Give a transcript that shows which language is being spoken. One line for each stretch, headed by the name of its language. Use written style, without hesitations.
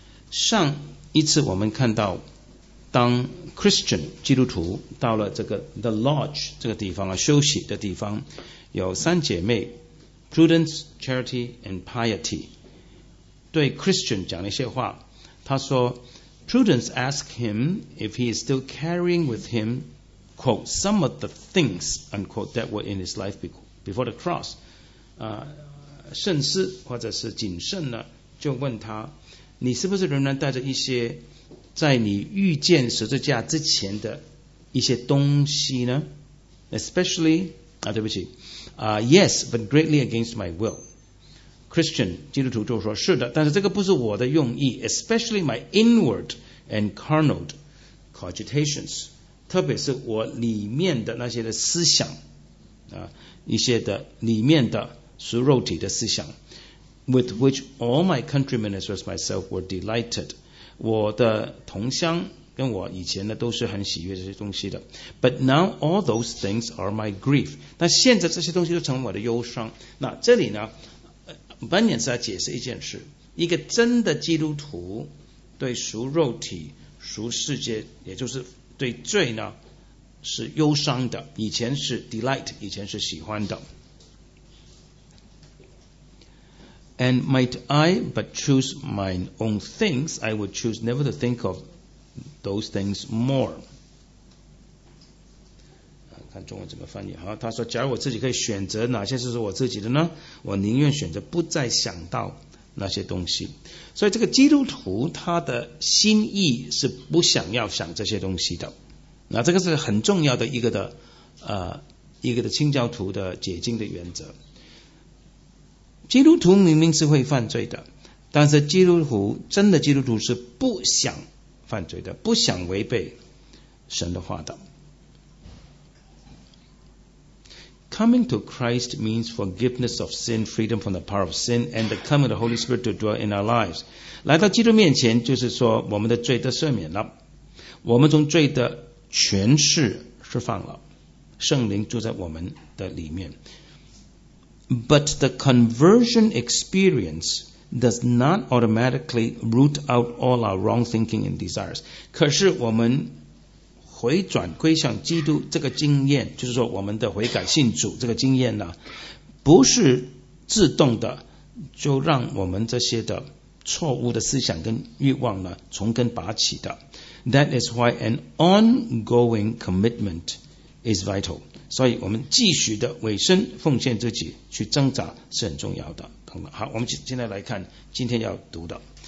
Chinese: 上一次我们看到当 Christian 基督徒到了这个 The Lodge 这个地方啊，休息的地方，有三姐妹 Prudence, Charity and Piety 对 Christian 讲了一些话。他说
English: Prudence asked him if he is still carrying with himquote, some of the things, unquote, that were in his life before the cross.
Chinese: 慎思或者是谨慎呢就问他，你是不是仍然带着一些在你遇见十字架之前的一些东西呢？
English: Especially,
Chinese: 啊对不起，
English: yes, but greatly against my will.
Chinese: Christian, 基督徒就说，是的，但是这个不是我的用意，
English: especially my inward and carnal cogitations.
Chinese: 特别是我里面的那些的思想啊，一些的里面的属肉体的思想
English: with which all my countrymen as well as myself were delighted，
Chinese: 我的同乡跟我以前呢都是很喜悦这些东西的。
English: But now all those things are my grief，
Chinese: 那现在这些东西都成为我的忧伤。那这里呢 Bunyan 是要解释一件事，一个真的基督徒对属肉体属世界，也就是对罪呢是忧伤的，以前是 delight， 以前是喜欢的。
English: And might I but choose my own things, I would choose never to think of those things more.
Chinese: 看中文怎么翻译。好，他说假如我自己可以选择哪些是我自己的呢，我宁愿选择不再想到那些东西。所以这个基督徒他的心意是不想要想这些东西的。那这个是很重要的一个的一个的清教徒的解经的原则。基督徒明明是会犯罪的，但是基督徒真的基督徒是不想犯罪的，不想违背神的话的。
English: Coming to Christ means forgiveness of sin, freedom from the power of sin, and the coming of the Holy Spirit to dwell in our lives.
Chinese: 来到基督面前就是说我们的罪都赦免了，我们从罪的权势释放了，圣灵住在我们的里面。
English: But the conversion experience does not automatically root out all our wrong thinking and desires.
Chinese: 可是我们回转归向基督这个经验，就是说我们的悔改信主这个经验呢，不是自动的就让我们这些的错误的思想跟欲望呢从根拔起的。
English: That is why an ongoing commitment is vital.
Chinese: 所以我们继续的委身奉献自己去挣扎是很重要的。好，我们现在来看今天要读的。